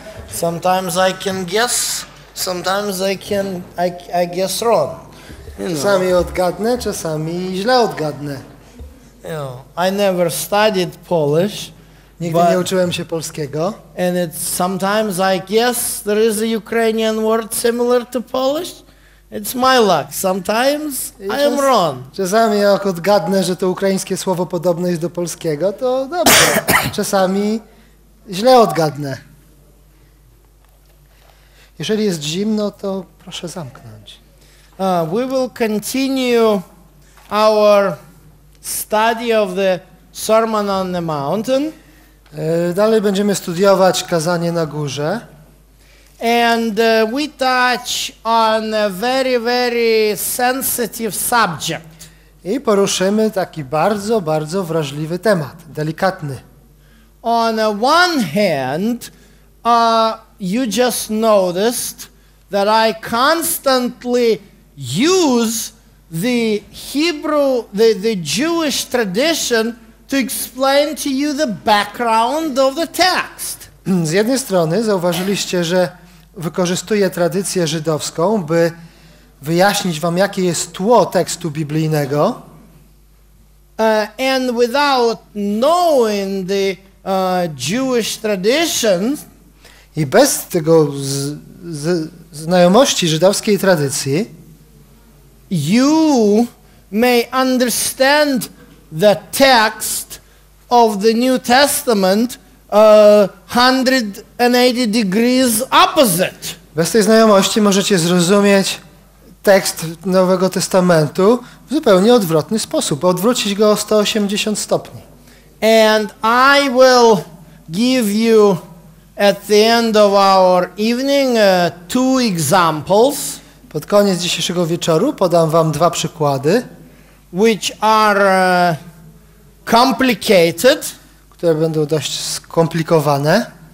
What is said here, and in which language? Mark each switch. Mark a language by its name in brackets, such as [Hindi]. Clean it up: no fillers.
[English] Sometimes I can guess, sometimes I guess wrong. You know. [Polish] Czasami odgadnę, czasami źle odgadnę. [English] You know, I never studied Polish. [Polish] Nigdy nie uczyłem się polskiego. [English] And it's sometimes like, yes, there is a Ukrainian word similar to Polish. It's my luck. Sometimes I am wrong. [Polish] Czasami jak odgadnę, że to ukraińskie słowo podobne jest do polskiego, to dobrze. Czasami źle odgadnę. Jeżeli jest zimno, to proszę zamknąć. [English] We will continue our study of the Sermon on the Mountain. [Polish] Dalej będziemy studiować kazanie na górze. [English] And we touch on a very, very sensitive subject. [Polish] I poruszymy taki bardzo, bardzo wrażliwy temat, delikatny. [English] On one hand, you just noticed that I constantly use the Hebrew, the Jewish tradition to explain to you the background of the text. [Polish] Z jednej strony zauważyliście, że wykorzystuję tradycję żydowską, by wyjaśnić wam, jakie jest tło tekstu biblijnego. [English] And without knowing the Jewish tradition, [Polish] i bez tego znajomości żydowskiej tradycji, [English] you may understand the text of the New Testament 180 degrees opposite. [Polish] Bez tej znajomości możecie zrozumieć tekst Nowego Testamentu w zupełnie odwrotny sposób, odwrócić go o 180 stopni. [English] And I will give you at the end of our evening two examples. [Polish] Pod koniec dzisiejszego wieczoru podam wam dwa przykłady, [English] which are complicated, [Polish] które będą dość skomplikowane.